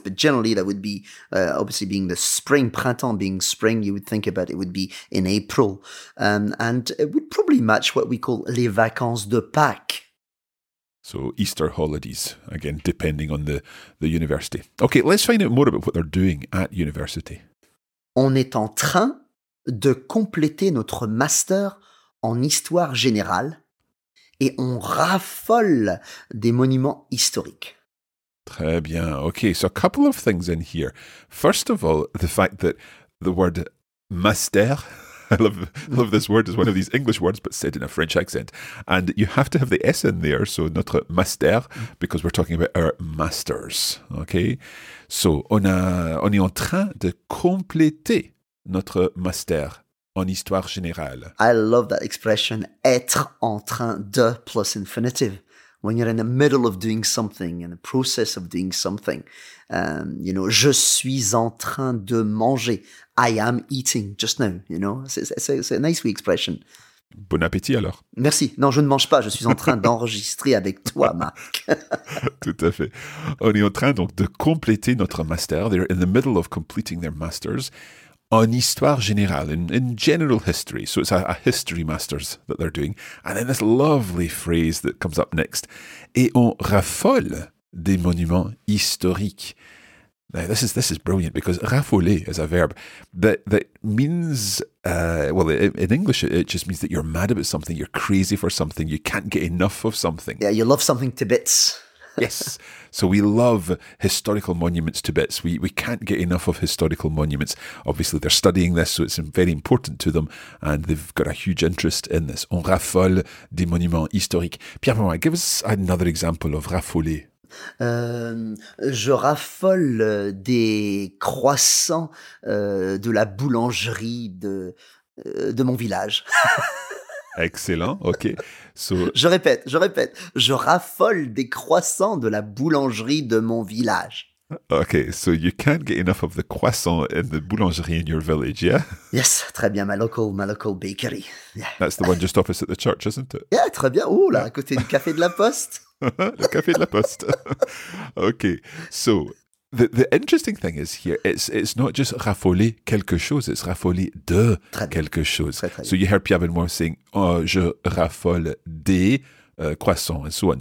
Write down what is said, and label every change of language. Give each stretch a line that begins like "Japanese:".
English: But generally, that would be, obviously, being the spring, printemps being spring, you would think about it would be in April. And it would probably match what we call les vacances de Pâques. So Easter holidays, again, depending on the university. Okay, let's find out more about what they're doing at university.
French: On est en train de compléter notre master en histoire générale. Et on raffole des monuments historiques. Très bien.
English: Okay, so a couple of things in here. First of all, the fact that the word master, I love this word, is one of these English words, but said in a French accent. And you have to have the S in there, so notre master, because we're talking about our masters.
French: Okay, so on est en train de compléter notre master. En histoire générale.
English: I love that expression, être en train de plus infinitive. When you're in the middle of doing something, in the process of doing something, you know,
French: je suis en train de manger.
English: I am eating just now, you know. It's a nice wee expression.
French: Bon appétit alors. Merci. Non, je ne mange pas. Je suis en train d'enregistrer avec toi, Marc. Tout à fait. On est en train donc de compléter notre master.
English: They're in the middle of completing their masters.
French: En histoire générale,
English: in general history. So it's a history master's that they're doing. And then this lovely phrase that comes up next.
French: Et on raffole des monuments historiques.
English: Now this is brilliant because raffoler is a verb that means, well, in English it just means that you're mad about something, you're crazy for something, you can't get enough of something. Yeah, you love something to bits. Yes. So we love historical monuments to bits. We can't get enough of historical monuments. Obviously, they're studying this, so it's very important to them. And they've got a huge interest in this.
French: On raffole des monuments historiques.
English: Pierre-Benoît, give us another example of raffoler.
French: Je raffole des croissants de la boulangerie de mon village.
English: Excellent, ok. So,
French: je répète, je raffole des croissants de la boulangerie de mon village.
English: Ok, so you can't get enough of the croissant in the boulangerie in your village, yeah? Yes, très bien, my local bakery. Yeah. That's the one just opposite the church, isn't it?
French: Yeah, très bien, ouh là, à côté du café de la poste.
English: Le café de la poste. Ok, so the interesting thing is here, it's not just raffoler quelque chose, it's raffoler de quelque chose.
French: Très, très
English: so you hear Pierre-Benoît saying, oh,
French: je raffole des croissants,
English: and so on.